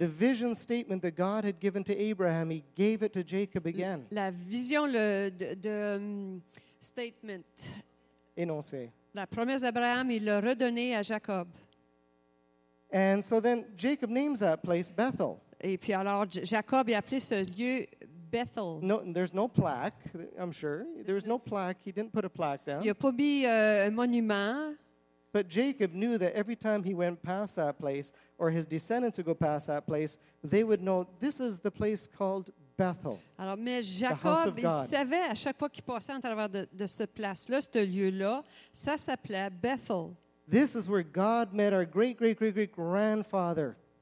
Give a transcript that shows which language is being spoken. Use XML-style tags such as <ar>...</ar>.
<en>The vision statement that God had given to Abraham, he gave it to Jacob again.</en> <fr>La vision, statement... Énoncé. La promesse d'Abraham, il l'a redonnée à Jacob.</fr> <en>And so then Jacob names that place Bethel.</en> <fr>Et puis alors Jacob a appelé ce lieu Bethel.</fr> <en>No, there's no plaque, I'm sure. There's no plaque. He didn't put a plaque down.</en> <fr>Il n'a pas mis un monument.</fr> <en>But Jacob knew that every time he went past that place, or his descendants would go past that place, they would know this is the place called Bethel.</en> <fr>Alors, mais Jacob, il savait à chaque fois qu'il passait en travers de ce place-là, ce lieu-là, ça s'appelait Bethel.</fr> <en>This is where God met our great, great, great, great grandfather.</en>